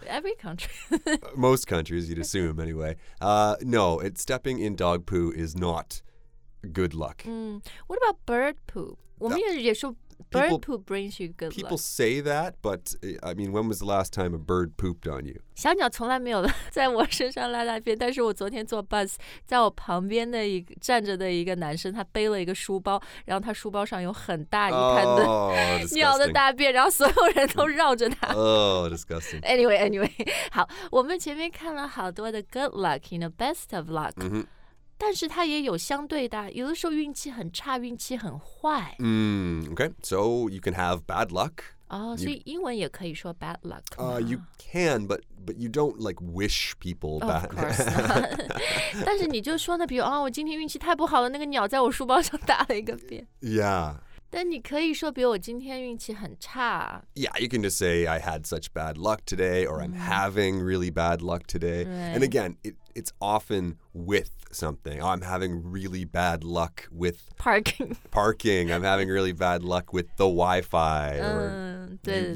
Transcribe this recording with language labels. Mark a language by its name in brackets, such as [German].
[English] Every country. Most countries, you'd assume, anyway. No, it, stepping in dog poo is not good luck.、 What about bird poo? [Chinese] 我们也说 [English] bird poop brings you good people People say that, but, I mean, when was the last time a bird pooped on you? [Chinese] 小鸟从来没有在我身上拉大便，但是我昨天坐 bus， 在我旁边的一个站着的一个男生，他背了一个书包，然后他书包上有很大一滩的、 [English] oh, [Chinese] 鸟的大便，然后所有人都绕着他。 [English] Oh, disgusting. [Chinese] Anyway， 好，我们前面看了好多的 good luck， [English] you know, [Chinese] best of luck，、 mm-hmm. 但是它也有相对的，有的时候运气很差，运气很坏。 [English] Okay, so you can have bad luck. [Chinese] 所以英文也可以说 bad luck. [English] You can, but you don't like wish people bad luck. [Chinese] 但是你就说呢，比如啊、我今天运气太不好了，那个鸟在我书包上打了一个遍。 [English] Yeah. [Chinese] 但你可以说，比如我今天运气很差。 [English] Yeah, you can just say I had such bad luck today, or I'm having really bad luck today. Right. And again, it's often with something. Oh, I'm having really bad luck with parking. I'm having really bad luck with the Wi-Fi or [Chinese] 对对对